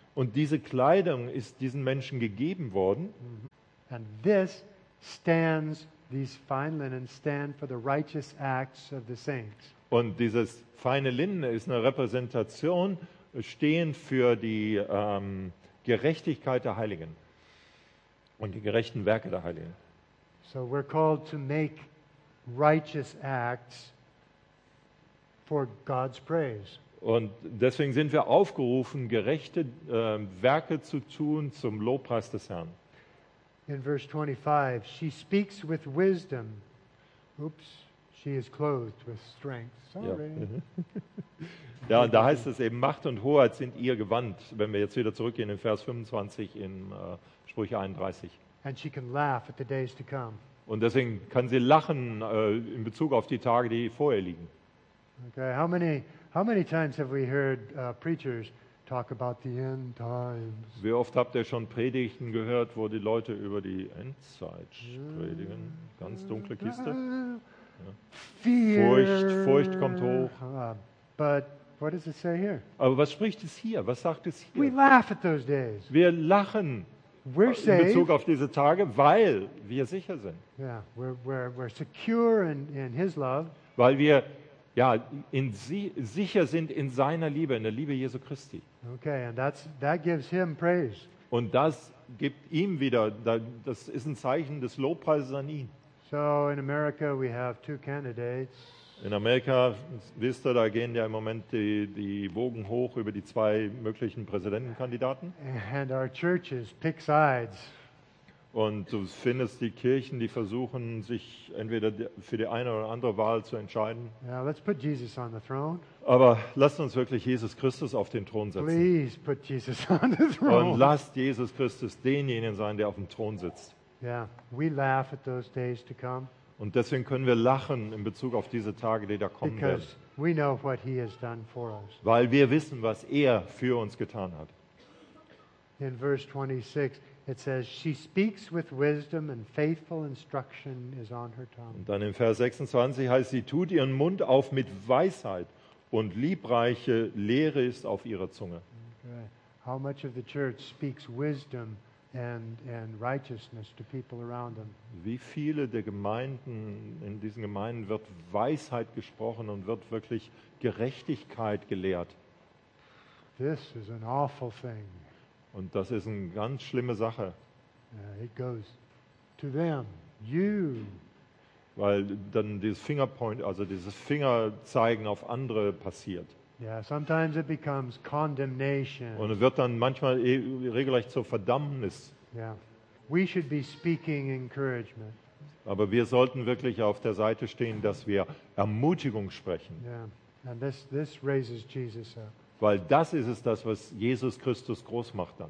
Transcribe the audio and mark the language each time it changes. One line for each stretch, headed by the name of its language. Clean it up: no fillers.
German: Und diese Kleidung ist diesen Menschen gegeben worden.
English: And this stands, these fine linens stand for the righteous acts of the saints.
German: Und dieses feine Linnen ist eine Repräsentation, stehen für die Gerechtigkeit der Heiligen und die gerechten Werke der Heiligen.
English: So we're called to make righteous acts for God's praise.
German: Und deswegen sind wir aufgerufen, gerechte Werke zu tun zum Lobpreis des Herrn.
English: In verse 25, she speaks with wisdom. Oops, she is clothed with strength. Sorry.
German: Ja. Ja, und da heißt es eben, Macht und Hoheit sind ihr Gewand, wenn wir jetzt wieder zurückgehen in Vers 25 in Sprüche 31.
English: And she can laugh at the days to come.
German: Und deswegen kann sie lachen in Bezug auf die Tage, die vor ihr liegen.
English: Okay, how many times have we heard preachers talk about the end times?
German: Wie oft habt ihr schon Predigten gehört, wo die Leute über die Endzeit predigen? Ganz dunkle Kiste.
English: Ja. Fear.
German: Furcht kommt hoch.
English: But what does it say here?
German: Aber was spricht es hier? Was sagt es hier?
English: We laugh at those days.
German: Wir lachen
English: we're safe.
German: In Bezug auf diese Tage, weil wir sicher sind.
English: Yeah, we're secure in his love.
German: Weil wir ja in sicher sind in seiner Liebe, in der Liebe Jesu Christi.
English: Okay, and that gives him praise.
German: Und das gibt ihm wieder, das ist ein Zeichen des Lobpreises an ihn.
English: So in America we have two candidates.
German: In Amerika, wisst ihr, da gehen ja im Moment die Wogen hoch über die zwei möglichen Präsidentenkandidaten.
English: And our churches pick sides.
German: Und du findest die Kirchen, die versuchen, sich entweder für die eine oder andere Wahl zu entscheiden.
English: Yeah, let's put Jesus on the throne.
German: Aber lasst uns wirklich Jesus Christus auf den Thron setzen.
English: Please put Jesus on the throne.
German: Und lasst Jesus Christus denjenigen sein, der auf dem Thron sitzt.
English: Yeah, we laugh at those days to come.
German: Und deswegen können wir lachen in Bezug auf diese Tage, die da kommen werden.
English: We know what he has done for us.
German: Weil wir wissen, was er für uns getan hat.
English: In verse 26 it says, she speaks with wisdom and faithful instruction is on her tongue.
German: Und dann in Vers 26 heißt, sie tut ihren Mund auf mit Weisheit und liebreiche Lehre ist auf ihrer Zunge.
English: Okay. How much of the church speaks wisdom and righteousness to people around them.
German: Wie viele der Gemeinden, in diesen Gemeinden wird Weisheit gesprochen und wird wirklich Gerechtigkeit gelehrt?
English: This is an awful thing.
German: Und das ist eine ganz schlimme Sache.
English: It goes to them, you.
German: Weil dann dieses Fingerpoint, also dieses Fingerzeigen auf andere passiert.
English: Yeah, sometimes it becomes condemnation.
German: Und es wird dann manchmal regelrecht zur Verdammnis.
English: Yeah. We should be speaking encouragement.
German: Aber wir sollten wirklich auf der Seite stehen, dass wir Ermutigung sprechen.
English: Yeah. And this raises Jesus up.
German: Weil das ist es, das was Jesus Christus groß macht dann.